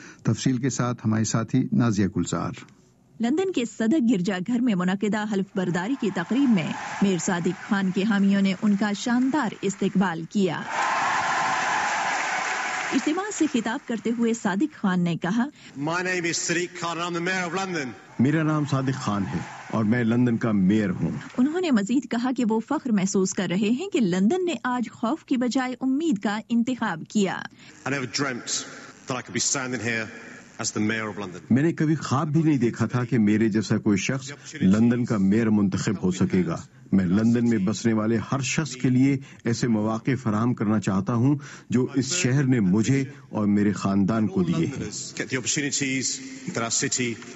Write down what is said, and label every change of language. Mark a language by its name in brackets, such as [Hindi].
[Urdu] تفصیل کے ساتھ ہمارے ساتھی نازیہ گلزار. لندن کے صدر گرجا گھر میں منعقدہ حلف برداری کی تقریب میں میئر صادق خان کے حامیوں نے ان کا شاندار استقبال کیا. اجتماع سے خطاب کرتے ہوئے صادق خان نے کہا, [English] My name is Sadiq Khan, I'm the mayor of London. [Urdu] میرا نام صادق خان ہے اور میں لندن کا میئر ہوں. انہوں نے مزید کہا کہ وہ فخر محسوس کر رہے ہیں کہ لندن نے آج خوف کی بجائے امید کا انتخاب کیا. [English] I never dreamt that I could be standing here as the mayor of London. [Urdu] میں نے کبھی خواب بھی نہیں دیکھا تھا کہ میرے جیسا کوئی شخص لندن کا میئر منتخب ہو سکے گا. میں لندن میں بسنے والے ہر شخص کے لیے ایسے مواقع فراہم کرنا چاہتا ہوں جو اس شہر نے مجھے اور میرے خاندان کو دیے ہیں.